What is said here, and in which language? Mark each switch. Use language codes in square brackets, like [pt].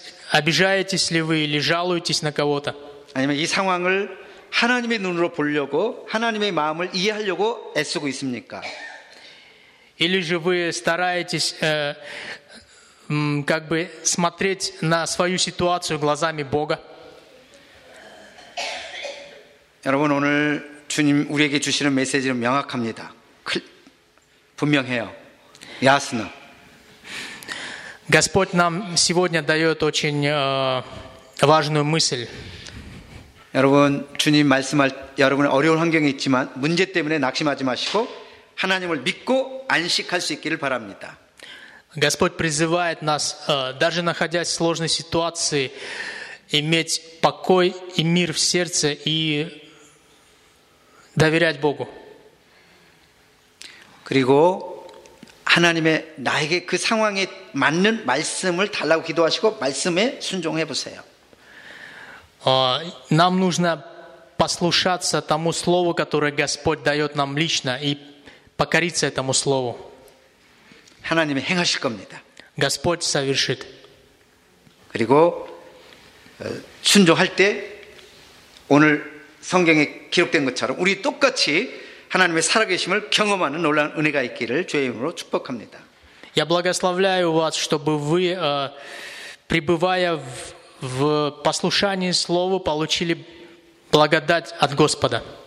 [ru] Обижаетесь ли вы или жалуетесь на кого-то? [ko] 아니면 이 상황을 하나님의 눈으로 보려고 하나님의 마음을 이해하려고 애쓰고 있습니까? [ru] Или же вы стараетесь как бы смотреть на свою ситуацию глазами Бога? [ko] 여러분 오늘 주님 우리에게 주시는 메시지는 명확합니다. 분명해요. [ru] 야스나. Господь нам сегодня даёт очень важную мысль. [ko] 여러분 주님 말씀할 여러분 어려운 환경에 있지만 문제 때문에 낙심하지 마시고 하나님을 믿고 안식할 수 있기를 바랍니다. [ru] Господь призывает нас даже находясь в сложной ситуации иметь покой и мир в сердце и доверять Богу. [ko] 그리고 하나님의 나에게 그 상황에 맞는 말씀을 달라고 기도하시고 말씀에 순종해 보세요. [ru] Нам нужно послушаться тому слову, которое Господь даёт нам лично и покориться этому слову. [ko] 하나님이 행하실 겁니다. [ru] Господь совершит. [ko] 그리고 순종할 때 오늘 성경에 기록된 것처럼 우리 똑같이 하나님의 살아계심을 경험하는 놀라운 은혜가 있기를 주의 이름으로 축복합니다. [ru] Я благословляю вас, чтобы вы пребывая в послушании слову получили благодать от Господа.